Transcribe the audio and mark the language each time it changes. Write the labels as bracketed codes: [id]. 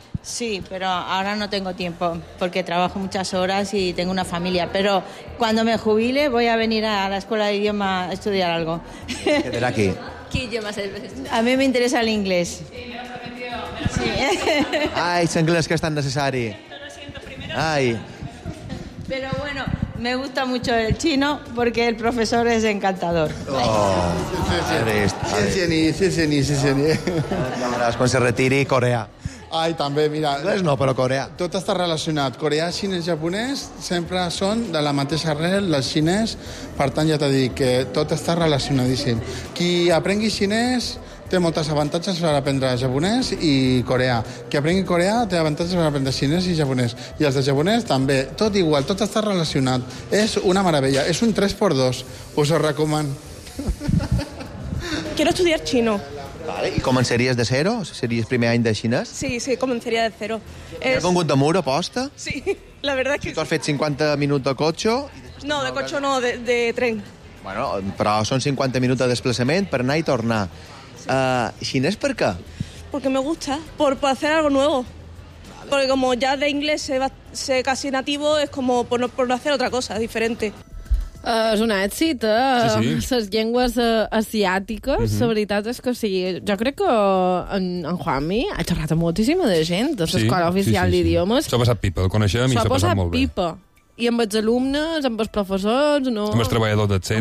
[es] Sí, [ca] però ara [es] no tengo tiempo, porque trabajo muchas horas y tengo una familia, pero cuando me jubile voy a venir a la escuela de idioma a estudiar algo. [ca] Quedarà aquí. [es] ¿Qué idioma has estudiado? A mí me interesa el inglés. Sí, me lo has aprendido. [ca] Sí. Ai, l'anglès que és tan necessari. [es] Lo siento, primero. Ai. Pero bueno... Me gusta mucho el chino porque el profesor es encantador. Sí. [ca] Llavors, quan se retiri, Corea. Ai, també, mira... Anglès no, però Corea. Tot està relacionat. Corea, xinès, japonès sempre són de la mateixa arrel, les xinès. Per tant, ja t'he dit que tot està relacionadíssim. Qui aprengui xinès té moltes avantatges per aprendre japonès i coreà. Qui aprengui coreà té avantatges per aprendre xinès i japonès. I els de japonès també. Tot igual, tot està relacionat. És una meravella. És un 3x2. Us ho recomano. [es] Quiero estudiar chino. [ca] Vale. I començaries de zero? Series primer any de xinès? Sí, sí, començaria de zero. Has vingut de mur, aposta? [es] Sí, la verdad que sí. [ca] Tu has fet 50 minuts de cotxe... No, de cotxe no, de tren. Bueno, però són 50 minuts de desplaçament per anar i tornar. [es] ¿Xinés por qué? Porque me gusta, por hacer algo nuevo. Vale. Porque como ya de inglés sé casi nativo, es como por no hacer otra cosa, diferente. [ca] És un èxit, sí, sí. Les llengües asiàtiques, la veritat és que sí. Jo crec que en Juanmi ha xerrat moltíssima de gent de l'escola oficial d'idiomes. S'ha passat pipa, el coneixem i s'ha passat molt pipa. Bé. I amb els alumnes, amb els professors, no? Amb els treballadors del centre.